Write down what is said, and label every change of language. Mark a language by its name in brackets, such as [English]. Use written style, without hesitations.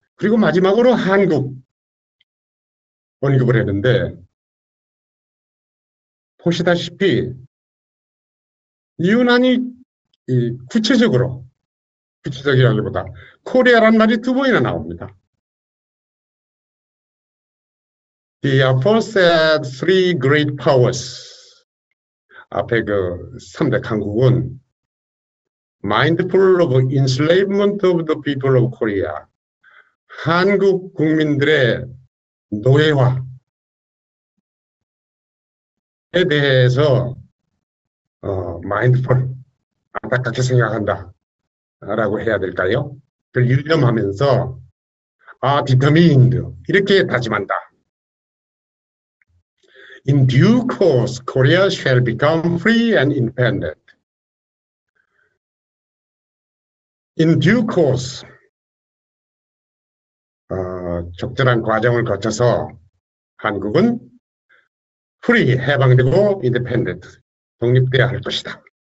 [Korean] 그리고 마지막으로 한국 언급을 했는데, 보시다시피, 유난히 구체적이라기보다, 코리아란 말이 두 번이나 나옵니다. [English] The aforesaid three great powers. [Korean] 앞에 그 3대 강국은, [English] mindful of enslavement of the people of Korea. [Korean] 한국 국민들의 노예화에 대해서 마인드풀 안타깝게 생각한다. 라고 해야 될까요? 그 유념하면서, 아, 디터민드 이렇게 다짐한다. [English] In due course, Korea shall become free and independent. In due course, [Korean] 적절한 과정을 거쳐서 한국은 free, 해방되고 independent, 독립돼야 할 것이다.